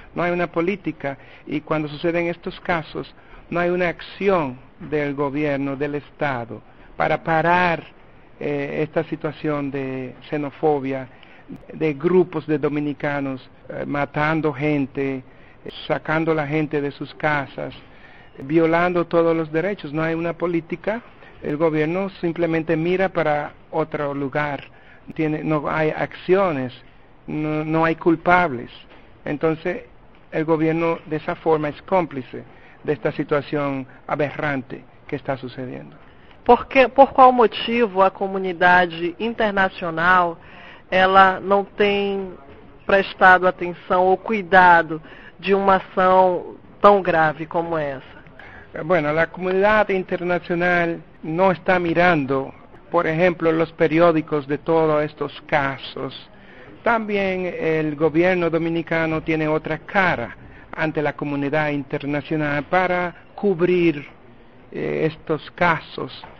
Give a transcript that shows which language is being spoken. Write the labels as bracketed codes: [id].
[pt] Não há uma política, e quando sucedem estes casos, não há uma [es] acción del gobierno, del Estado, para parar esta situación de xenofobia, de grupos de dominicanos matando gente, sacando la gente de sus casas, violando todos los derechos. No hay una política. El gobierno simplemente mira para otro lugar. No hay acciones, no hay culpables. Entonces, el gobierno de esa forma es cómplice de esta situación aberrante que está sucediendo. [pt] Por qual motivo a comunidade internacional ela não tem prestado atenção ou cuidado de uma ação tão grave como essa? [es] Bueno, la comunidad internacional no está mirando, por ejemplo, los periódicos de todos estos casos. También el gobierno dominicano tiene otra cara ante la comunidad internacional para cubrir estos casos.